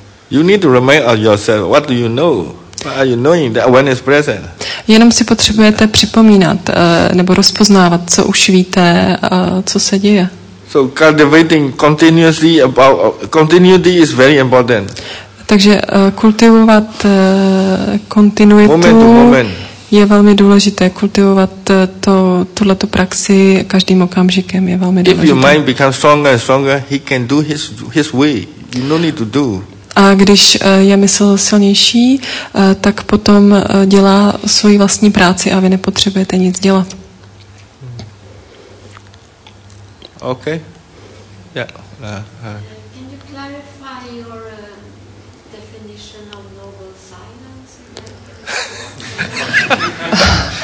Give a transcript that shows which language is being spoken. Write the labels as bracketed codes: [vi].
[en] You need to remind yourself, what do you know? What are you knowing? The awareness present. [cs] Jenom si potřebujete připomínat nebo rozpoznávat, co už víte, co se děje. [en] So cultivating continuously about continuity is very important. [cs] Takže kultivovat kontinuitu [en] moment to moment. [cs] Je velmi důležité. Kultivovat tuhleto praxi každým okamžikem je velmi důležité. [en] If your mind becomes stronger and stronger, he can do his way. You no need to do. [cs] A když je mysl silnější, tak potom dělá svoji vlastní práci a vy nepotřebujete nic dělat. [en] Okay. Yeah. Can you clarify your definition of noble silence?